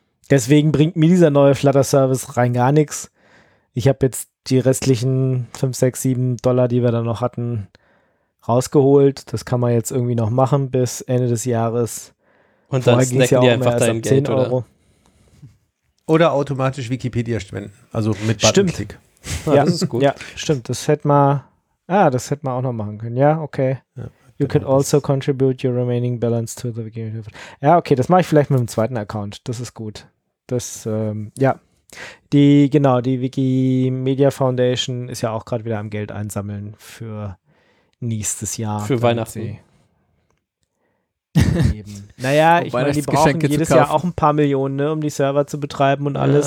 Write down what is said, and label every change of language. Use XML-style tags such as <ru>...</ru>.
<de>Deswegen bringt mir dieser neue Flutter-Service rein gar nichts. Ich habe jetzt die restlichen $5, $6, $7, die wir dann noch hatten, rausgeholt. Das kann man jetzt irgendwie noch machen bis Ende des Jahres. Und dann snacken ja die einfach dein Geld, 10 oder? Euro. Oder automatisch Wikipedia spenden. Also mit Button-Klick. Ja, das ist gut. Ja, stimmt. Das hätte man, das hätte man auch noch machen können. Ja, okay.</de> <en>Ja, you could also contribute your remaining balance to the Wikipedia.</en> <de>Ja, okay, das mache ich vielleicht mit dem zweiten Account. Das ist gut. Das, Die Wikimedia Foundation ist ja auch gerade wieder am Geld einsammeln für nächstes Jahr. Für Weihnachten. Naja, ich meine, die brauchen jedes Jahr auch ein paar Millionen, ne, um die Server zu betreiben und alles.</de>